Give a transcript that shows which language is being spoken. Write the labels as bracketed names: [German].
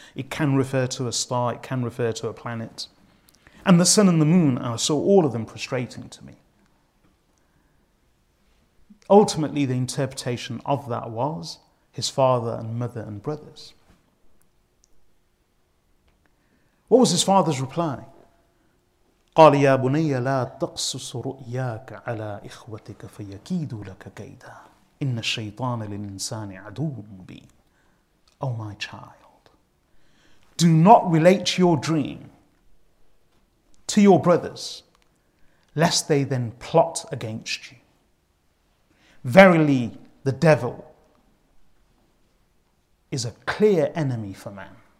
[English] It can refer to a star, it can refer to a planet. And the sun and the moon, and I saw all of them prostrating to me. Ultimately, the interpretation of that was his father and mother and brothers. What was his father's reply? [Arabic] قال يا بني لا تقصص رؤياك على إخوتك فيكيدوا لك كيدا. إِنَّ الشَّيْطَانَ لِلْإِنسَانِ عَدُوٌ مُبِينٌ. [English] Oh my child, do not relate your dream to your brothers, lest they then plot against you. Verily, the devil is a clear enemy for man.